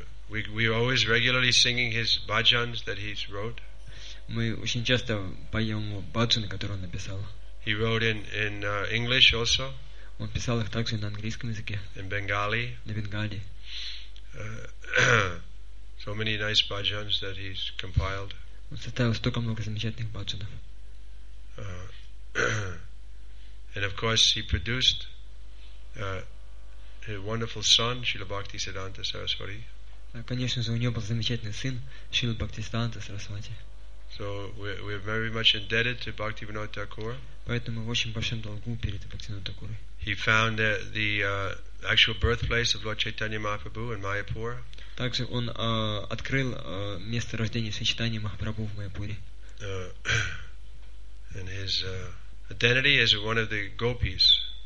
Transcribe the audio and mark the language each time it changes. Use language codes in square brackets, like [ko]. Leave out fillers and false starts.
[en] We are always regularly singing his bhajans that he's wrote. [ru] Мы очень часто поем его бхаджаны, которые он написал. [en] He wrote in English also. [ru] Он писал их также на английском языке. [en] In Bengali. [ru] На бенгали. [en] So many nice bhajans that he's compiled. [ru] Он составил столько много замечательных бхаджанов. [en] And of course he produced his wonderful son, Srila Bhakti Siddhanta Saraswati. [ru] Конечно же, у него был замечательный сын, Шрила Бхактисиддханта Сарасвати. [en] So we are very much indebted to Bhaktivinoda Thakur. [ru] Поэтому мы очень большим долгом перед Бхактивинодой Такурой. [en] He found the actual birthplace of Lord Chaitanya Mahaprabhu in Mayapur. [ru] Также он открыл место рождения Шри Чайтаньи Махапрабху в Майяпуре. [en] And his identity is one of the gopis.